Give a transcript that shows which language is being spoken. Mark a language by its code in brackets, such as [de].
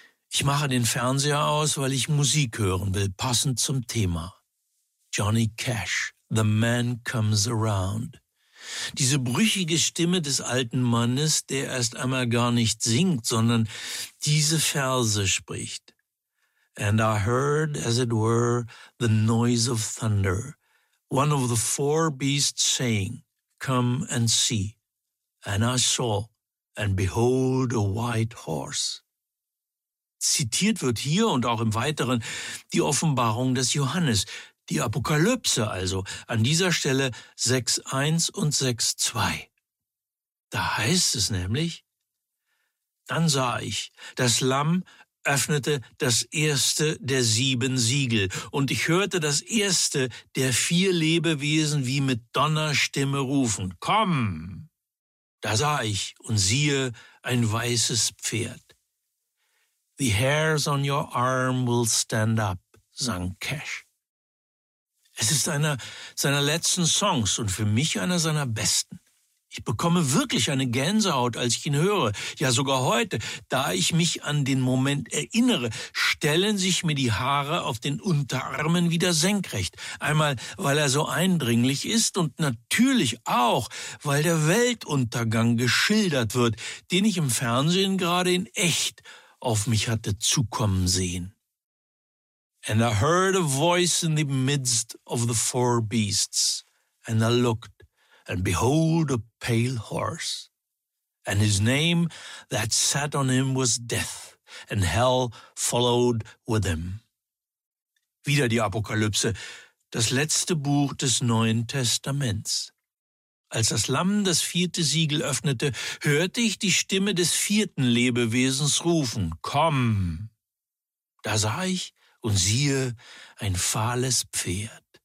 [de] Ich mache den Fernseher aus, weil ich Musik hören will, passend zum Thema. [en] Johnny Cash. The Man Comes Around. [de] Diese brüchige Stimme des alten Mannes, der erst einmal gar nicht singt, sondern diese Verse spricht. [en] And I heard, as it were, the noise of thunder, one of the four beasts saying, Come and see. And I saw, and behold, a white horse. [de] Zitiert wird hier und auch im Weiteren die Offenbarung des Johannes, die Apokalypse also, an dieser Stelle 6,1 und 6,2. Da heißt es nämlich, dann sah ich, das Lamm öffnete das erste der sieben Siegel und ich hörte das erste der vier Lebewesen wie mit Donnerstimme rufen, komm! Da sah ich und siehe ein weißes Pferd. [en] The hairs on your arm will stand up, sang Cash. [de] Es ist einer seiner letzten Songs und für mich einer seiner besten. Ich bekomme wirklich eine Gänsehaut, als ich ihn höre. Ja, sogar heute, da ich mich an den Moment erinnere, stellen sich mir die Haare auf den Unterarmen wieder senkrecht. Einmal, weil er so eindringlich ist und natürlich auch, weil der Weltuntergang geschildert wird, den ich im Fernsehen gerade in echt auf mich hatte zukommen sehen. [en] And I heard a voice in the midst of the four beasts, and I looked, and behold, a pale horse. And his name that sat on him was Death, and Hell followed with him. [de] Wieder die Apokalypse, das letzte Buch des Neuen Testaments. Als das Lamm das vierte Siegel öffnete, hörte ich die Stimme des vierten Lebewesens rufen, Komm! Da sah ich, und siehe, ein fahles Pferd.